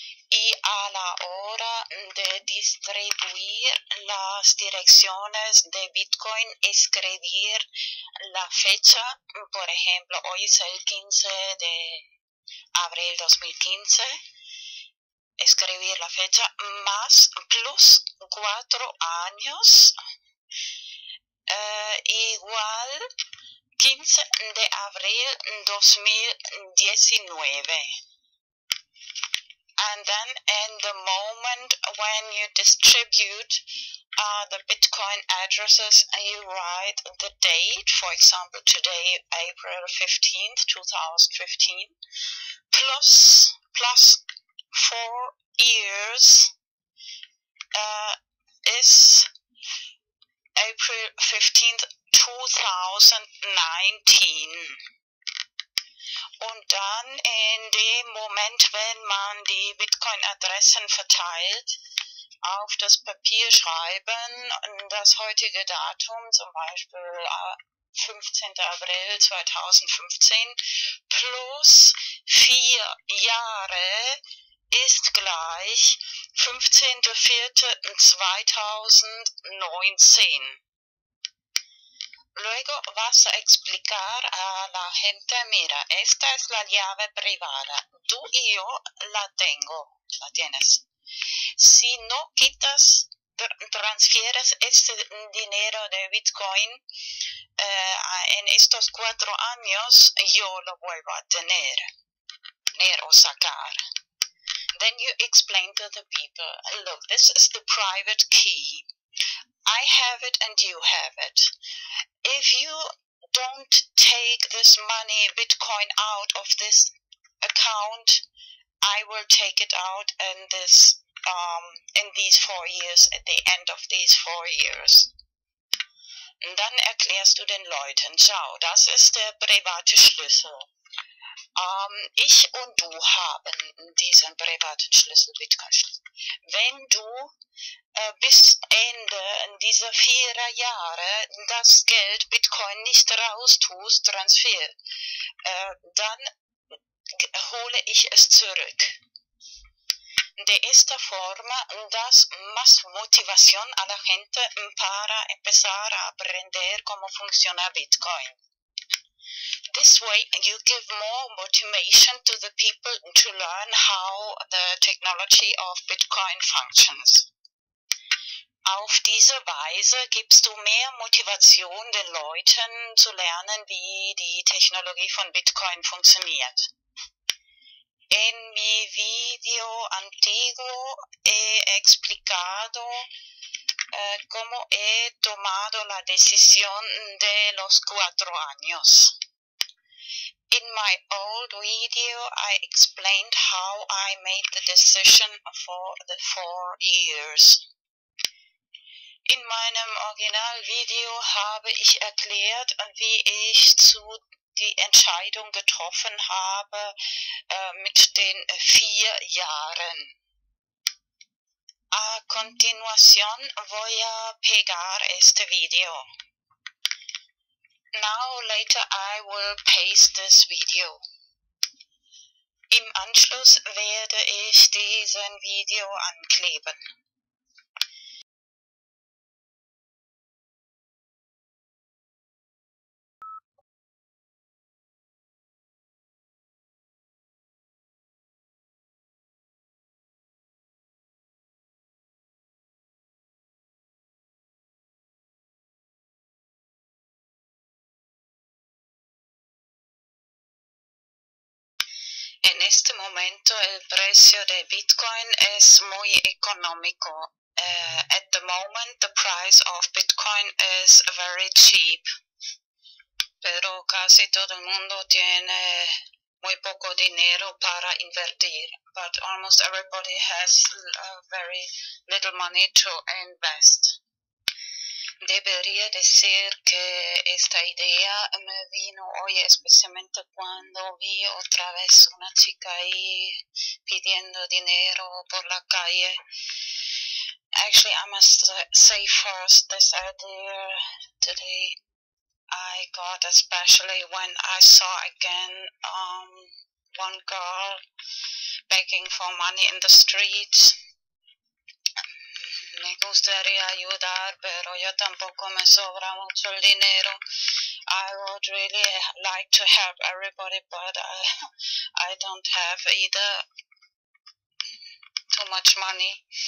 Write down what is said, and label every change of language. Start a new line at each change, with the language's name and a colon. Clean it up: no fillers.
Spanish: Y a la hora de distribuir las direcciones de Bitcoin, escribir la fecha, por ejemplo, hoy es el 15 de abril 2015, escribir la fecha más plus 4 años, igual 15 de abril 2019.
English: And then in the moment when you distribute the Bitcoin addresses, you write the date, for example, today, April 15th, 2015, plus 4 years is April 15th, 2019.
German: Und dann in dem Moment, wenn man die Bitcoin-Adressen verteilt, auf das Papier schreiben, das heutige Datum, zum Beispiel 15. April 2015, plus 4 Jahre ist gleich 15.04.2019.
Spanish: Luego vas a explicar a la gente, mira, esta es la llave privada. Tú y yo la tengo, la tienes. Si no quitas, transfieres este dinero de Bitcoin, en estos cuatro años yo lo vuelvo a tener, tener o sacar.
English: Then you explain to the people, look, this is the private key. I have it and you have it. If you don't take this money, Bitcoin, out of this account, I will take it out in this, in these 4 years, at the end of these 4 years.
German: Und dann erklärst du den Leuten, schau, das ist der private Schlüssel. Ich und du haben diesen privaten Schlüssel, Bitcoin-Schlüssel. Wenn du bis Ende dieser 4 Jahre das Geld Bitcoin nicht raustust, Transfer, dann hole ich es zurück.
Spanish: De esta forma das más motivación a la gente para empezar a aprender cómo funciona Bitcoin.
English: This way you give more motivation to the people to learn how the technology of Bitcoin functions.
German: Auf diese Weise gibst du mehr Motivation den Leuten zu lernen, wie die Technologie von Bitcoin funktioniert.
Spanish: En mi video antiguo he explicado cómo he tomado la decisión de los 4 años.
English: In my old video, I explained how I made the decision for the 4 years.
German: In meinem Originalvideo habe ich erklärt, wie ich zu die Entscheidung getroffen habe mit den 4 Jahren.
Spanish: A continuación voy a pegar este video.
English: Now, later, I will paste this video.
German: Im Anschluss werde ich diesen Video ankleben.
Spanish: En este momento el precio de Bitcoin es muy económico.
English: At the moment the price of Bitcoin is very cheap.
Spanish: Pero casi todo el mundo tiene muy poco dinero para invertir.
English: But almost everybody has very little money to invest.
Spanish: Debería decir que esta idea me vino hoy especialmente cuando vi otra vez una chica ahí pidiendo dinero por la calle.
English: Actually, I must say first this idea today I got, especially when I saw again one girl begging for money in the streets.
Spanish: Me gustaría ayudar, pero yo tampoco me sobra mucho el dinero.
English: I would really like to help everybody, but I don't have either too much money.